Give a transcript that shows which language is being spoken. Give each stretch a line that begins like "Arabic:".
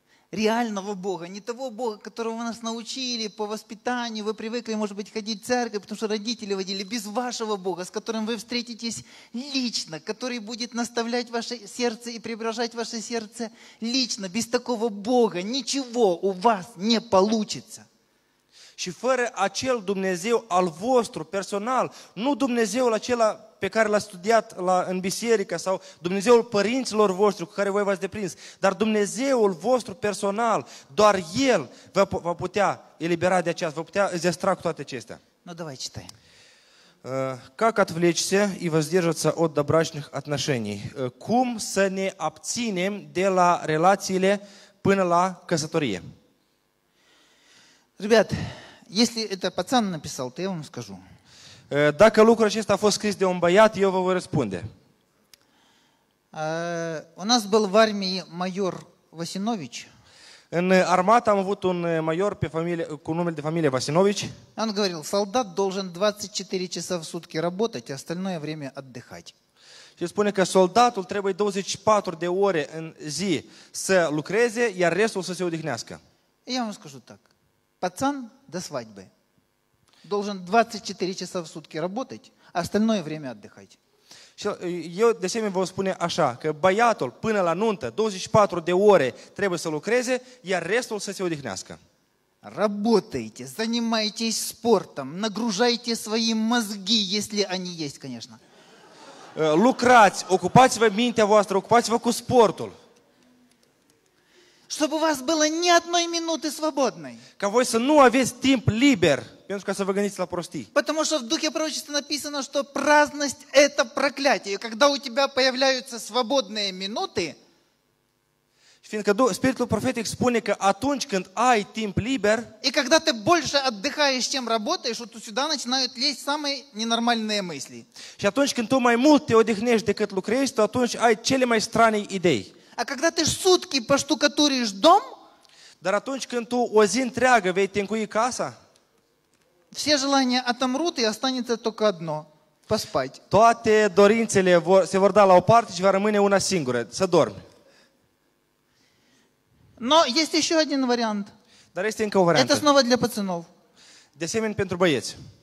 Russian: Реального Бога, не того Бога, которого нас научили по воспитанию, вы привыкли, может быть, ходить в церковь, потому что родители водили, без вашего Бога, с которым вы встретитесь лично, который будет наставлять ваше сердце и преображать ваше сердце лично, без такого Бога ничего у вас не получится.
Romanian: Și fără acel Dumnezeu al vostru, personal, nu Dumnezeul acela pe care l-a studiat în biserică sau Dumnezeul părinților voștri cu care voi v-ați deprins, dar Dumnezeul vostru personal, doar El va putea elibera de aceasta, va putea zestra cu toate acestea.
Russian: Ну, давай, читай. Как отвлечься и воздержаться от добрачных отношений?
Romanian: Cum să ne abținem de la relațiile până la căsătorie?
Russian: Ребят, если это пацан написал, то я вам скажу.
Romanian: Dacă lucrul acesta a fost scris de un băiat, eu vă voi răspunde.
Russian: У нас был в армии майор Васинович.
Romanian: În armată am avut un major pe familie, cu numele de familie Васинович.
Russian: Он говорил, солдат должен 24 часа в сутки работать, а остальное время отдыхать.
Romanian: Și spune că soldatul trebuie 24 de ore în zi să lucreze, iar restul să se odihnească.
Russian: Я вам скажу так. Пацан до свадьбы должен 24 часа в сутки работать, а остальное время отдыхать.
Romanian: Eu de asemenea vă spun așa, că băiatul până la nuntă 24 de ore trebuie să lucreze, iar restul să se odihnească.
Russian: Работайте, занимайтесь спортом, нагружайте свои мозги, если они есть, конечно.
Romanian: lucrați, ocupați-vă mintea voastră, ocupați-vă cu sportul.
Russian: Чтобы у вас было ни одной минуты свободной.
Romanian: Ca voi să nu aveți timp liber, pentru ca să vă gândiți la prostii.
Russian: Потому что в Духе Пророчества написано, что праздность – это проклятие. Когда у тебя появляются свободные минуты,
Romanian: fiindcă Spiritul Profetic spune că atunci când ai timp liber,
Russian: и когда ты больше отдыхаешь, чем работаешь, вот сюда начинают лезть самые ненормальные мысли.
Romanian: Și atunci când tu mai mult te odihnești decât lucrezi, tu atunci ai cele mai strane idei.
Russian: А когда ты сутки поштукатуришь дом,
Romanian: dar atunci când tu o zi întreagă vei tencui casa,
Russian: все желания отомрут и останется только одно – поспать.
Romanian: Toate dorințele se vor da la o parte și va rămâne una singură – să dormi.
Russian: Но есть еще один вариант.
Romanian: Dar este încă un вариант.
Russian: Это снова для пацанов.
Romanian: De asemenea, pentru băieți.